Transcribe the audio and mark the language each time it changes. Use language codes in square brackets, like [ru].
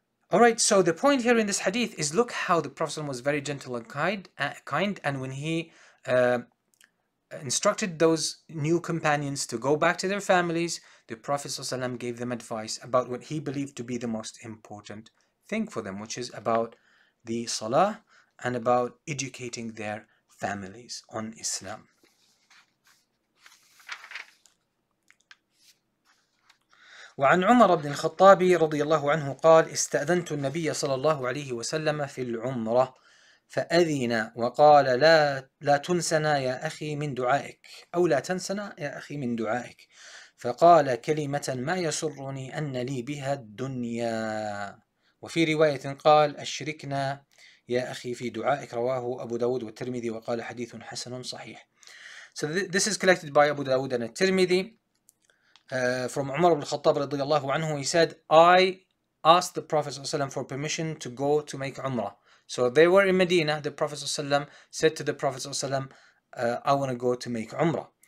[en] Alright, so the point here in this hadith is, look how the Prophet was very gentle and kind, and when he instructed those new companions to go back to their families, the Prophet ﷺ gave them advice about what he believed to be the most important thing for them, which is about the salah and about educating their families on Islam. [ar] وعن عمر بن الخطاب رضي الله عنه قال استأذنت النبي صلى الله عليه وسلم في العمرة فأذن وقال لا تنسنا يا أخي من دعائك أو لا تنسنا يا أخي من دعائك فقال كلمة ما يسرني أن لي بها الدنيا وفي رواية قال أشركنا يا أخي في دعائك رواه أبو داود والترمذي وقال حديث حسن صحيح. [en] So this is collected by Abu Dawood and al-Tirmidhi. From Umar ibn al-Khattab radiyallahu anhu, he said, I asked the Prophet ﷺ for permission to go to make Umrah. So they were in Medina. The Prophet ﷺ said to the Prophet ﷺ, I want to go to make Umrah.